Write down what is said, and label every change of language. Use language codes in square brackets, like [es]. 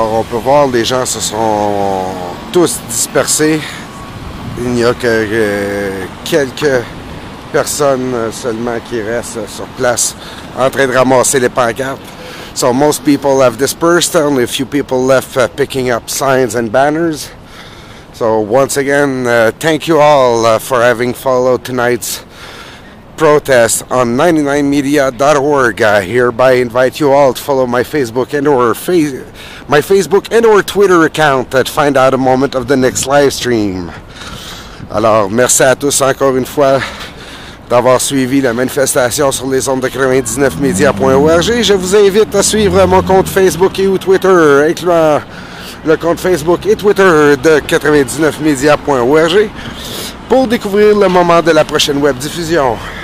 [fr] Voir, les gens se sont tous dispersés. Il n'y a que quelques personnes seulement qui restent sur place en train de ramasser les pancartes. [en] So most people have dispersed, only a few people left picking up signs and banners. So once again, thank you all for having followed tonight's protest on 99media.org. I hereby invite you all to follow my Facebook and or my Facebook and or Twitter account to find out a moment of the next live stream. [fr] Alors, merci à tous encore une fois d'avoir suivi la manifestation sur les ondes de 99media.org. Je vous invite à suivre mon compte Facebook et ou Twitter, incluant le compte Facebook et Twitter de 99media.org pour découvrir le moment de la prochaine web diffusion.